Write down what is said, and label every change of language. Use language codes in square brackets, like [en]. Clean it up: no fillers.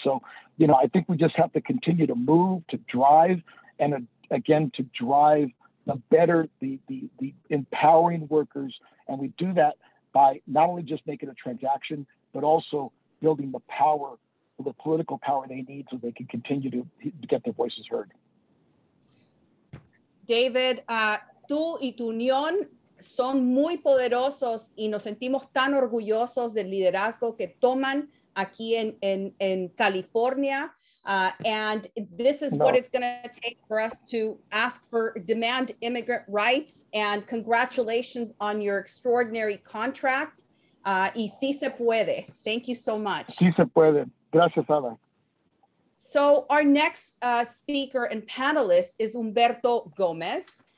[en] So, you know, I think we just have to continue to move, to drive, and again, to drive the better, the empowering workers. And we do that by not only just making a transaction, but also building the power the political power they need so they can continue to get their voices heard. [es] David, tú y tu unión son muy poderosos y nos sentimos tan orgullosos del liderazgo que toman aquí en California. [en] And this is what it's going to take for us to ask for demand immigrant rights. And congratulations on your extraordinary contract. [es] Y si se puede. [en] Thank you so much. [es] Si se puede. Gracias, Ada. [en] So our next speaker and panelist is Humberto Gomez.